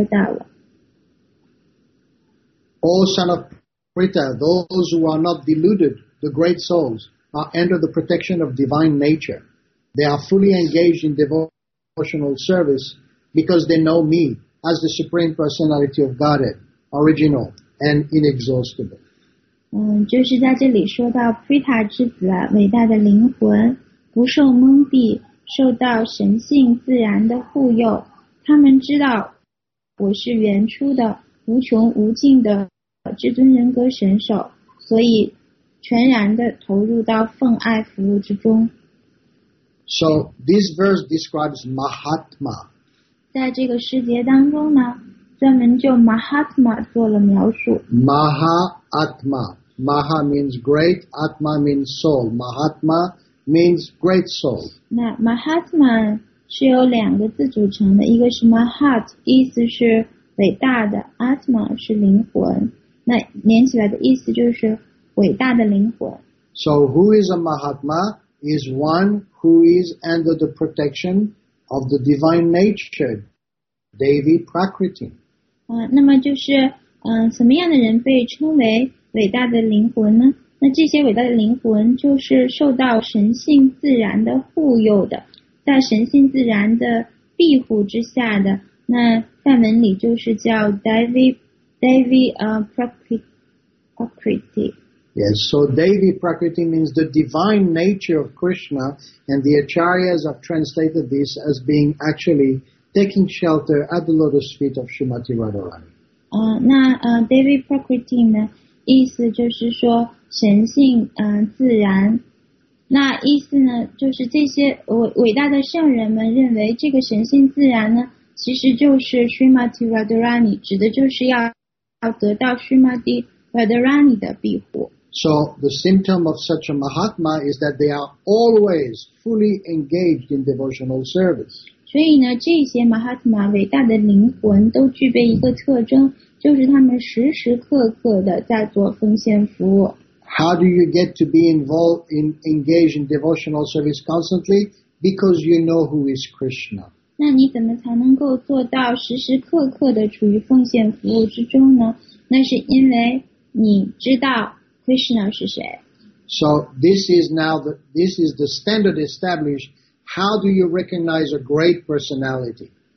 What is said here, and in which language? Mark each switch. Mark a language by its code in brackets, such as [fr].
[zh] 就是在《国家梵歌》的第九章诗节十三当中就是说到了。O [en] son of Prita, those who are not deluded, the great souls, are under the protection of divine nature. They are fully engaged in devotional service because they know me as the Supreme Personality of Godhead, original and inexhaustible. [zh] 就是在这里说到 Prita之子伟大的灵魂不受蒙蔽，受到神性自然的护佑，他们知道我是原初的无穷无尽的 至尊人格神手，所以全然的投入到奉爱服务之中。So [en] this verse describes Mahatma. [zh] 在这个世界当中呢，专门就Mahatma做了描述。Mahatma, [en] Maha means great, Atma means soul. Mahatma means great soul. [zh] 那Mahatma 是由两个字组成的，一个是 Mahat， 意思是伟大的， Atma 是灵魂，那连起来的意思就是伟大的灵魂。 [en] So who is a Mahatma is one who is under the protection of the divine nature, Devi Prakriti. [zh] 那么就是什么样的人被称为伟大的灵魂呢？那这些伟大的灵魂就是受到神性自然的护佑的，在神性自然的庇护之下的，那梵文里就是叫 Devi Prakriti. [en] Yes, so Devi Prakriti means the divine nature of Krishna, and the Acharyas have translated this as being actually taking shelter at the lotus feet of Srimati Radharani. [zh] Devi Prakriti 呢，意思就是说神性自然，那意思呢就是这些伟大的圣人们认为这个神性自然呢其实就是 Srimati Radharani， 指的就是要得到 Srimati Radharani 的庇护。 [en] So the symptom of such a Mahatma is that they are always fully engaged in devotional service. [zh] 所以呢这些 Mahatma 伟大的灵魂都具备一个特征，就是他们时时刻刻的在做奉献服务。 [en] How do you get to be involved in engaged in devotional service constantly? Because you know who is Krishna. [zh] 那你怎么才能够做到时时刻刻的处于奉献服务之中呢？那是因为你知道 Krishna 是谁。 [en] So this is the standard established. How do you recognize a great personality?